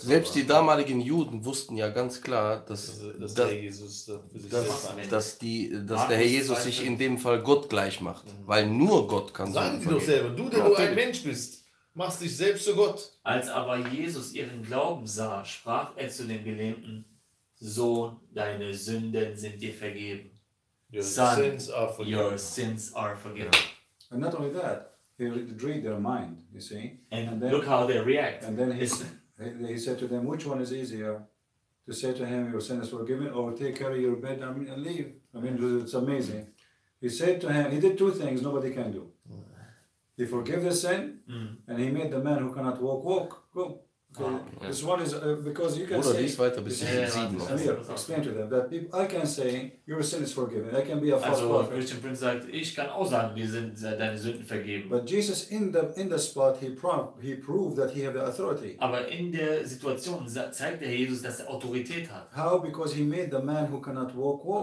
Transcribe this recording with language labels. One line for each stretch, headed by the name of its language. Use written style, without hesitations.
German: Selbst die damaligen Juden wussten ja ganz klar, dass der Herr Jesus sich in dem Fall Gott gleich macht. Mhm. Weil nur Gott kann sein. Sagen sie doch selber, du, der du ein Mensch bist, machst dich selbst zu Gott. Als aber Jesus ihren Glauben sah, sprach er zu dem Gelähmten, Sohn, deine Sünden sind dir vergeben.
English: Your sins are forgiven. And not only that, he read their mind, you see. And then, look how they react. And then he said to them, which one is easier? To say to him, your sins are forgiven, or take care of your bed and leave. I mean, it's amazing. He said to him, he did two things nobody can do. He forgave the sin, and he made the man who cannot walk, go. This one is because you can
German: oder
English: say. What are these
German: weiter bisschen sieben?
English: Explain to them that people, I can say your sin is forgiven. I can be a false prophet.
German: Also Christian Prince sagt, ich kann auch sagen, wir sind deine Sünden vergeben.
English: But Jesus in the spot he proved that he had the authority.
German: Aber in der Situation zeigt der Jesus, dass er Autorität hat.
English: How? Because he made the man who cannot walk.